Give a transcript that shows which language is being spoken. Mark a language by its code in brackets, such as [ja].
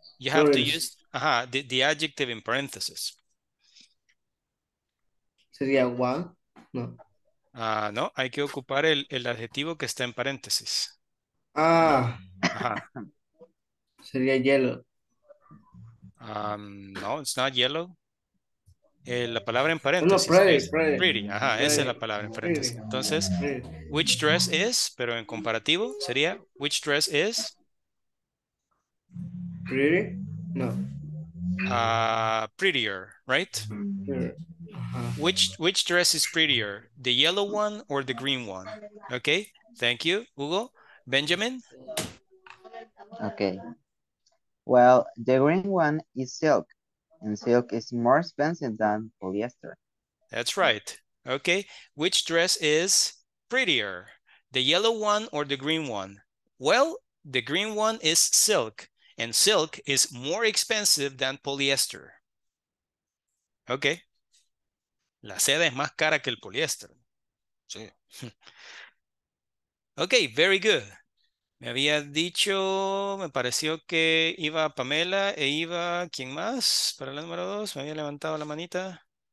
[en] you have to use the adjective in parentheses. [es] ¿Sería one? No. No, hay que ocupar el adjetivo que está en paréntesis. Ah. Ajá. Sería yellow. [en] No, it's not yellow. [es] La palabra en paréntesis. [en] No, pretty, pretty. Ajá, pretty. [es] Esa es la palabra en paréntesis. Pretty. Entonces, pretty. [en] Which dress is, [es] pero en comparativo, sería, [en] which dress is? Pretty? No. Prettier, right? Pretty. Uh-huh. Which dress is prettier, the yellow one or the green one? Okay, thank you, Hugo. Benjamin? Okay. Well, the green one is silk. And silk is more expensive than polyester. That's right. Okay. Which dress is prettier, the yellow one or the green one? Well, the green one is silk, and silk is more expensive than polyester. Okay. [es] La seda es más cara que el poliéster. Sí. [en] Okay, very good. [es] Me había dicho, me pareció que iba Pamela e iba, ¿quién más? Para la número dos, me había levantado la manita.